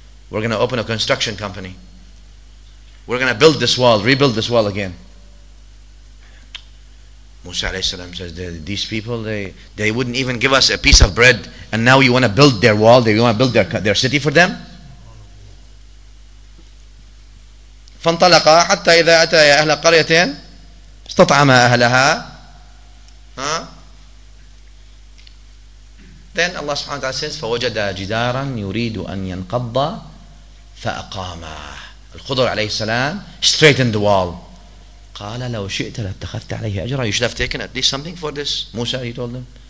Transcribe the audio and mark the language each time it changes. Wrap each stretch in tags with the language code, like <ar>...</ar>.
<en>We're gonna open a construction company. We're gonna build this wall, rebuild this wall again. Musa alayhi salam says, these people, they wouldn't even give us a piece of bread, and now you wanna build their wall, you wanna build their city for them?</en> <ar>فانطلقا حتى إذا أتيا أهل قرية استطعما أهلها.</ar> <en>Then Allah subhanahu wa ta'ala says,</en> <ar>فوجد جدارا يريد أن ينقض فأقاما.</ar> <en>الخضر عليه السلام straightened the wall.</en> <ar>قال لو شئت لاتخذت عليه أجرا.</ar> <en>You should have taken at least something for this. Musa, he told them.</en>